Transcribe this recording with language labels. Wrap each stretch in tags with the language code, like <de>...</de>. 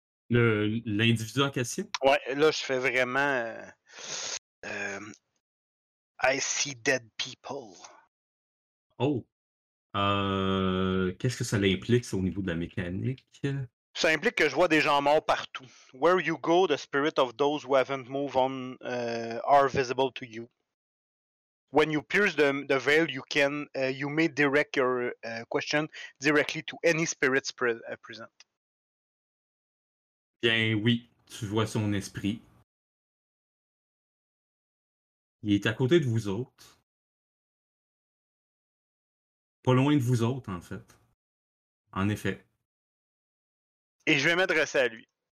<fr>L'individu en question? Ouais, là, je fais vraiment...</fr> <en>I see dead people. Oh!</en> <fr>Qu'est-ce que ça implique au niveau de la mécanique? Ça implique que je vois des gens morts partout.</fr> <en>Where you go, the spirit of those who haven't moved on are visible to you. When you pierce the veil, you may direct your question directly to any spirits present.</en> <fr>Bien oui, tu vois son esprit. Il est à côté de vous autres. Pas loin de vous autres, en fait. En effet. Et je vais m'adresser à lui.</fr>